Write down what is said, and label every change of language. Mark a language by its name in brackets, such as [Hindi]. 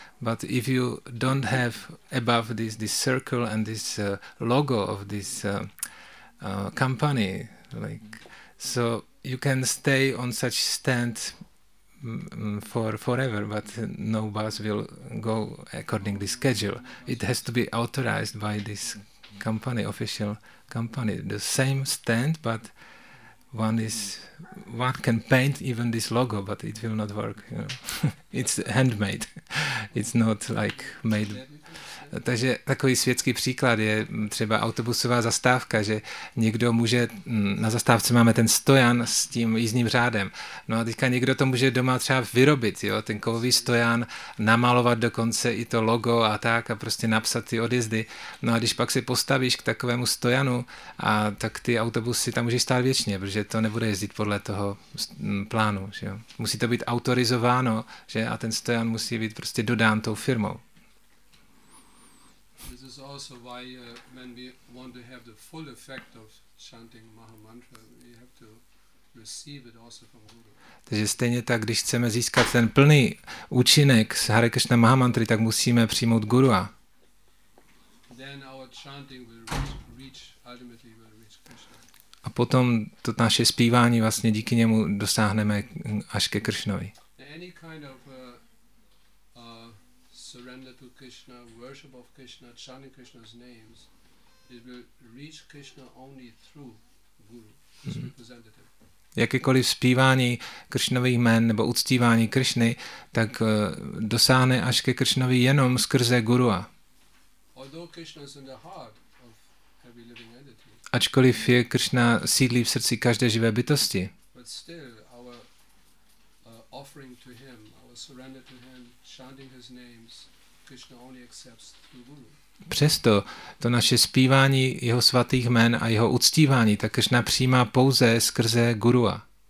[English] But if you don't have above this circle and this logo of this company, like, so you can stay on such stand for forever, but no bus will go according the schedule. It has to be authorized by this company, official company. The same stand, but one can paint even this logo, but it will not work, you know. It's handmade. It's not like made. [Czech] Takže takový světský příklad je třeba autobusová zastávka, že někdo může, na zastávce máme ten stojan s tím jízdním řádem, no a teďka někdo to může doma třeba vyrobit, jo, ten kovový stojan, namalovat dokonce i to logo a tak a prostě napsat ty odjezdy, no a když pak si postavíš k takovému stojanu, a tak ty autobusy tam můžeš stát věčně, protože to nebude jezdit podle toho plánu, že jo. Musí to být autorizováno, že, a ten stojan musí být prostě dodán tou firmou. [English] This is also why when we want to have the full effect of chanting Maha Mantra, we have to receive it also from Guru. [Czech] Takže stejně tak, když chceme získat ten plný účinek z Hare Krishna Maha Mantry, tak musíme přijmout Gurua. [English] Then our chanting will reach ultimately will reach Krishna. [Czech] A potom to naše zpívání vlastně díky němu dosáhneme až ke Krishnovi. [English] Any kind of surrender to Krishna, worship of Krishna, chanting Krishna's names, it will reach Krishna only through Guru, his representative. [Czech] Jakékoliv zpívání Krishnových jmen nebo uctívání Krishny, tak dosáhne až ke Krishnovi jenom skrze Gurua. [English] Although Krishna is in the heart of every living entity. [Czech] Ačkoliv je Krishna sídlí v srdci každé živé bytosti. [English] But still, our offering to him, our surrender to him, chanting his names, Krishna only accepts through Guru. [Czech] Přesto to naše zpívání jeho svatých jmen a jeho uctívání, tak Krishna přijímá pouze skrze Gurua.